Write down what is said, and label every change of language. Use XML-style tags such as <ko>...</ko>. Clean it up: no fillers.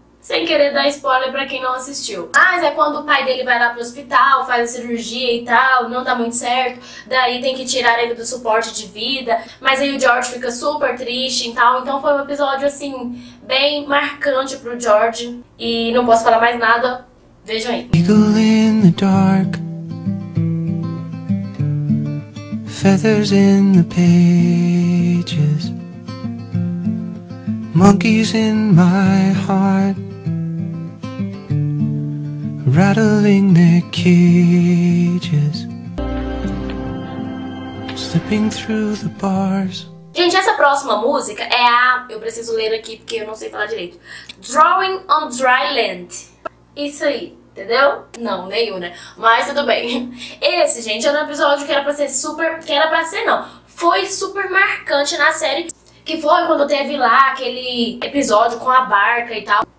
<pt>Sem querer dar spoiler pra quem não assistiu. Mas é quando o pai dele vai lá pro hospital, faz a cirurgia e tal, não dá muito certo. Daí tem que tirar ele do suporte de vida. Mas aí o George fica super triste e tal. Então foi um episódio, assim, bem marcante pro George. E não posso falar mais nada. Vejam aí.</pt> <en>Eagle in the dark, feathers in the pages, monkeys in my heart, rattling their cages, slipping through the bars.</en> <pt>Gente, essa próxima música é a... Eu preciso ler aqui porque eu não sei falar direito. Drawing on Dry Land. Isso aí. Entendeu? Não, nenhum, né? Mas tudo bem. Esse, gente, era um episódio que era pra ser super... Que era pra ser, não. Foi super marcante na série. Que foi quando teve lá aquele episódio com a barca e tal.</pt>